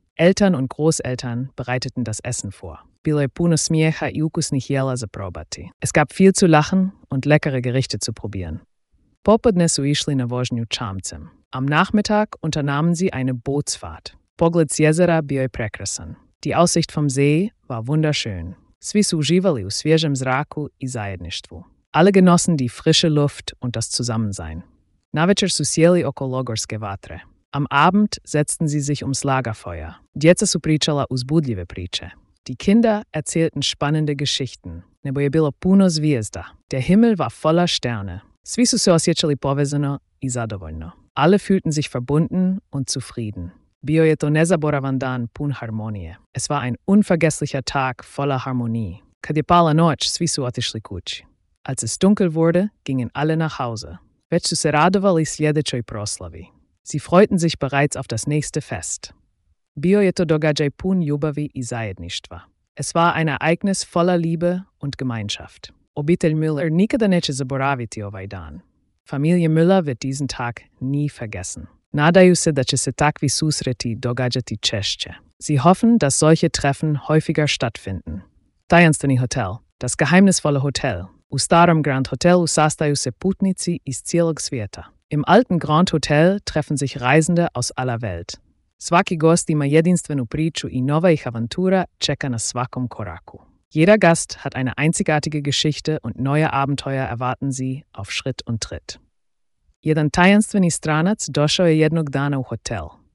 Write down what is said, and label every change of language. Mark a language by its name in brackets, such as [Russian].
[German] Eltern und Großeltern bereiteten das Essen vor. [Croatian] Bilo je puno smijeha i ukusnih jela za probati. [German] Es gab viel zu lachen und leckere Gerichte zu probieren. [Croatian] Popodne su išli na vožnju čamcem. [German] Am Nachmittag unternahmen sie eine Bootsfahrt. [Croatian] Pogled s jezera bio je prekrasan. [German] Die Aussicht vom See war wunderschön. [Croatian] Svi su uživali u svježem zraku i zajedništvu. [German] Alle genossen die frische Luft und das Zusammensein. [Croatian] Navečer su sjeli oko logorske vatre. [German] Am Abend setzten sie sich ums Lagerfeuer. [Croatian] Djeca su pričala uzbudljive priče. [German] Die Kinder erzählten spannende Geschichten. [Croatian] Nebo je bilo puno zvijezda. [German] Der Himmel war voller Sterne. [Croatian] Svi su se osjećali povezano i zadovoljno. [German] Alle fühlten sich verbunden und zufrieden. [Croatian] Bio je to nezaboravan dan pun harmonije. [German] Es war ein unvergesslicher Tag voller Harmonie. [Croatian] Kad je pala noć, svi su otišli kući. [German] Als es dunkel wurde, gingen alle nach Hause. [Croatian] Već su se radovali sljedećoj proslavi. [German] Sie freuten sich bereits auf das nächste Fest. [Croatian] Bio je to događaj pun ljubavi i zajedništva. [German] Es war ein Ereignis voller Liebe und Gemeinschaft. [Croatian] Obitelj Müller nikada neće zaboraviti ovaj dan. [German] Familie Müller wird diesen Tag nie vergessen. [Croatian] Nadaju se da će se takvi susreti događati češće. [German] Sie hoffen, dass solche Treffen häufiger stattfinden. [Croatian] Tajanstveni hotel. [German] Das geheimnisvolle Hotel. [Croatian] U starom Grand Hotel sastaju se putnici iz cijelog svijeta. [German] Im alten Grand Hotel treffen sich Reisende aus aller Welt. [Croatian] Svaki gost ima jedinstvenu priču i nova ih avantura čeka na svakom koraku. [German] Jeder Gast hat eine einzigartige Geschichte und neue Abenteuer erwarten sie auf Schritt und Tritt. [Croatian] Jedan tajanstveni stranac došao je jednog dana u hotel.